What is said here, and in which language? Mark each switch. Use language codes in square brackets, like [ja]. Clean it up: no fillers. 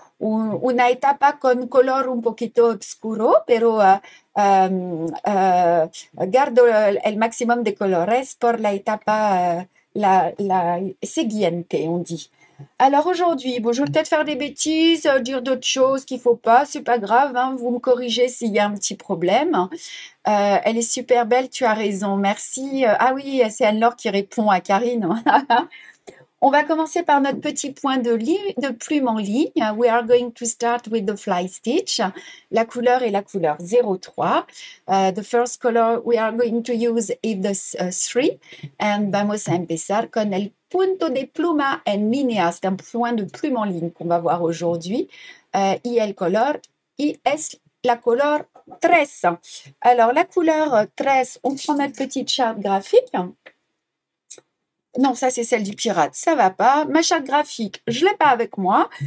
[es] Una etapa con color un poquito oscuro, pero guardo el maximum de colores por la etapa la siguiente, [fr] on dit. Alors aujourd'hui, bon, je vais peut-être faire des bêtises, dire d'autres choses qu'il ne faut pas, ce n'est pas grave, hein, vous me corrigez s'il y a un petit problème. Elle est super belle, tu as raison, merci. Ah oui, c'est Anne-Laure qui répond à Karine. On va commencer par notre petit point de plume en ligne. [en] We are going to start with the fly stitch. [fr] La couleur est la couleur 03. [en] The first color we are going to use is the 3. [es] And vamos a empezar con el punto de pluma en línea. [fr] C'est un point de plume en ligne qu'on va voir aujourd'hui. [es] Y el color, y es [fr] la couleur 13. Alors, la couleur 13, on prend notre petite charte graphique. Non, ça, c'est celle du pirate. Ça ne va pas. Ma charte graphique, je ne l'ai pas avec moi.